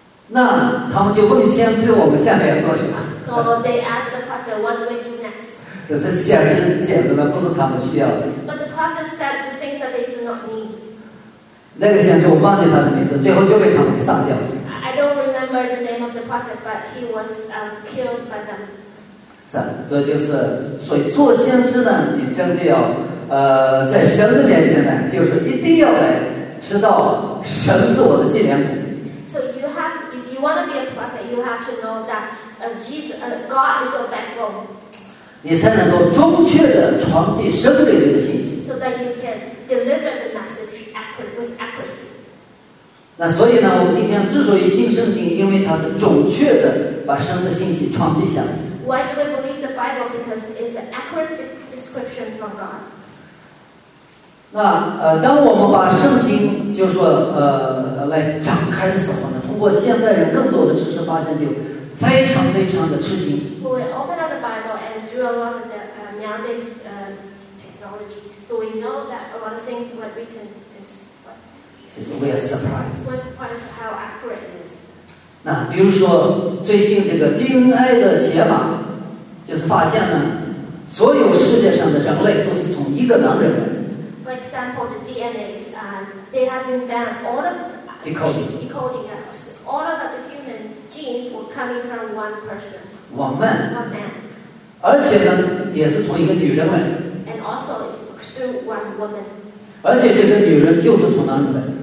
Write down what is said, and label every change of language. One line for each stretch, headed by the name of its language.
Chinese: 那他们就问先知，我们下面要做什么
English: ？So they asked the prophet, "What do we do next?"
Chinese: 这是先知讲的呢，不是他们需要的。
English: But the prophet said the things that they do not need.
Chinese: 那个先知我忘记他的名字，最后就被他们给杀掉了。
English: I don't remember the name of the prophet, but he was killed by them.
Chinese: 是啊，这就是所以做先知呢，你真的要在神的面前呢，就是一定要来知道神是我的纪念物。
English: So you have, if you want to be a prophet, you have to know that God is your backbone.
Chinese: 你才能够准确的传递神给你的信息。
English: So that you can deliver the message with accuracy.
Chinese: 那所以呢，我们今天之所以信圣经，因为它是准确的把神的信息传递下来。
English: Why do we believe the Bible? Because it's an accurate description from God.
Chinese: 那当我们把圣经就说来展开的时候呢，通过现代人更多的知识发现，就非常非常的吃惊。
English: When we open up the Bible and through a lot of the nowadays technology, so we know that a lot of things were written is what.
Chinese: 就是
English: we are surprised. What is how accurate it is.
Chinese: 那比如说最近这个 DNA 的解码，就是发现呢，所有世界上的人类都是从一个男人。
English: For example, the DNA is, they have been found all of the decoding. Decoding us. All of the human genes were coming from one person. Woman. A man.
Chinese: 而且呢，也是从一个女人来。
English: And also, it's through one woman.
Chinese: 而且这个女人就是从男人来。